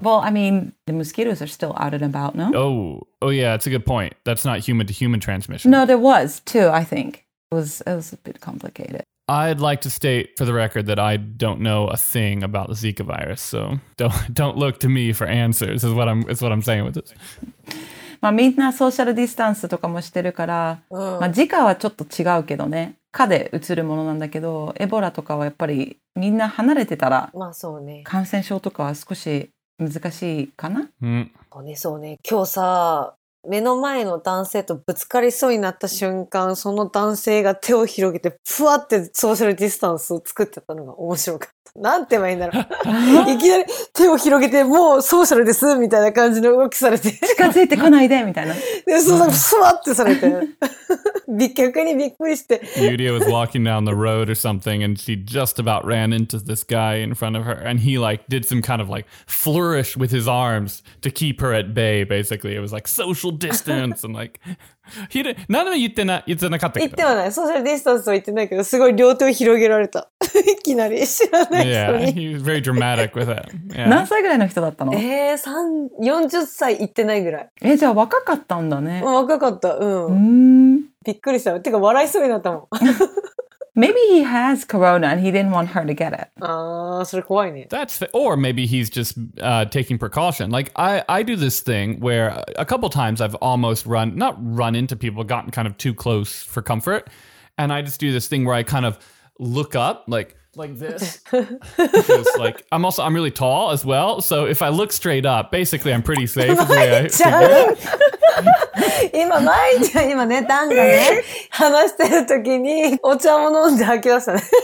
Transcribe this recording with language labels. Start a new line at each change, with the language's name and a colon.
English: Well, I mean, the mosquitoes are still out and about, no? Oh yeah, that's a good point. That's not human-to-human transmission. No, there was, too, I think. It was a bit complicated. I'd like to state for the record that I don't know a thing about the Zika virus, so don't look to me for answers, is what I'm saying with this.
Japanese: まあ、みんなソーシャルディスタンスとかもしてるから、まあ、Zikaはちょっと違うけどね。蚊でうつるものなんだけど、エボラとかはやっぱりみんな離れてたら、まあそうね、感染症とかは少し難しいかな。そうね。今日さ、目の前の男性とぶつかりそうになった瞬間、その男性が手を広げてふわってソーシャルディスタンスを作ってたのが面白かった。なんて言えばいいんだろう。いきなり手を広げてもうソーシャルですみたいな感じの動きされて近づいてこないでみたいな。で、そのふわってされて。
English: Yuria was walking down the road or something, and she just about ran into this guy in front of her, and he like did some kind of like flourish with his arms to keep her at bay. Basically, it was like social distance and like he didn't.
Japanese: 何も言ってない言ってなかったけど。言ってはない。ソーシャルディスタンスは言ってないけど、すごい両手を広げられた。いきなり知らない人に。
English: Yeah, he was very dramatic with it.
Japanese: 何歳ぐらいの人だったの？ 40歳言ってないぐらい。じゃあ若かったんだね。若かった。うん。びっくりした。てか笑いそうになったもん。
English: Maybe he has corona and he didn't want her to get it.
Japanese: Ah, それ怖いね。
English: That's or maybe he's just taking precaution. Like I do this thing where a couple times I've almost not run into people, gotten kind of too close for comfort, and I just do this thing where I kind of look up like this. Because, like I'm really tall as well, so if I look straight up, basically I'm pretty safe. The way I figure it.
Japanese: 今、まいちゃん、今ね、ダンがね、話してるときに、お茶も飲んで吐き出したね。